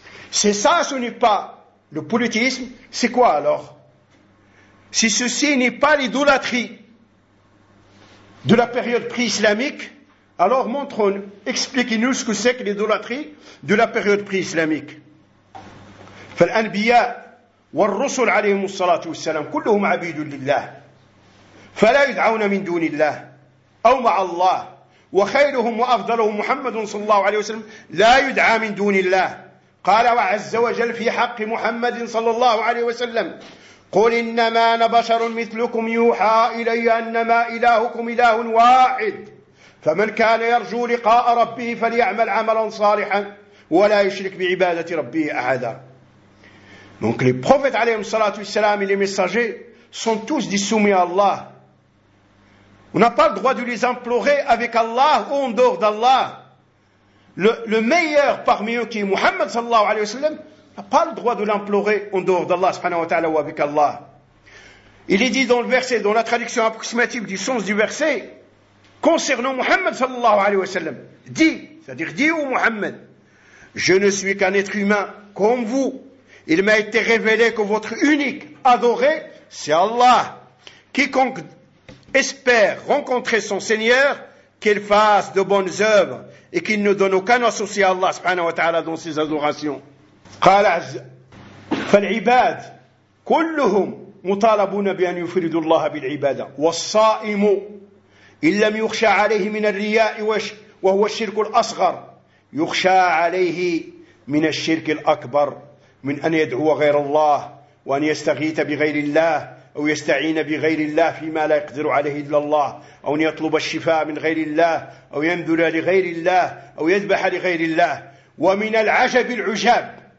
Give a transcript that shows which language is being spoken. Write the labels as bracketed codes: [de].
[fr] C'est ça, ce n'est pas le politisme. C'est quoi alors? Si ceci n'est pas l'idolâtrie de la période pré-islamique, alors montrons-nous, expliquez-nous ce que c'est que l'idolâtrie de la période pré-islamique. [ar] فالأنبياء والرسل عليهم الصلاة والسلام كلهم عبيد لله فلا يدعون من دون الله أو مع الله وخيرهم وأفضلهم محمد صلى الله عليه وسلم لا يدعى من دون الله قال وعز وجل في حق محمد صلى الله عليه وسلم قل إنما أنا بشر مثلكم يوحى إلي أنما إلهكم إله واحد فمن كان يرجو لقاء ربه فليعمل عملا صالحا ولا يشرك بعبادة ربه أحدا. [fr] Donc les prophètes alayhi salatu wassalam et les messagers sont tous des soumis à Allah. On n'a pas le droit de les implorer avec Allah ou en dehors d'Allah. Le meilleur parmi eux qui est Muhammad sallallahu alayhi wa sallam n'a pas le droit de l'implorer en dehors d'Allah subhanahu wa ta'ala ou avec Allah. Il est dit dans le verset, dans la traduction approximative du sens du verset, concernant Muhammad sallallahu alayhi wa sallam, dit, c'est-à-dire dit au Muhammad, je ne suis qu'un être humain comme vous. Il m'a été révélé que votre unique adoré, c'est Allah. Quiconque espère rencontrer son Seigneur, qu'il fasse de bonnes œuvres et qu'il ne donne aucun associé à Allah subhanahu wa ta'ala dans ses adorations. [ar] قال عز فالعباد كلهم مطالبون بأن يفردوا الله بالعبادة والصائم إن لم يخشى عليه من الرياء وهو الشرك الأصغر يخشى عليه من الشرك الأكبر من أن يدعو غير الله وأن يستغيث بغير الله أو يستعين بغير الله فيما لا يقدر عليه إلا الله أو أن يطلب الشفاء من غير الله أو ينذر لغير الله أو يذبح لغير الله ومن العجب العجاب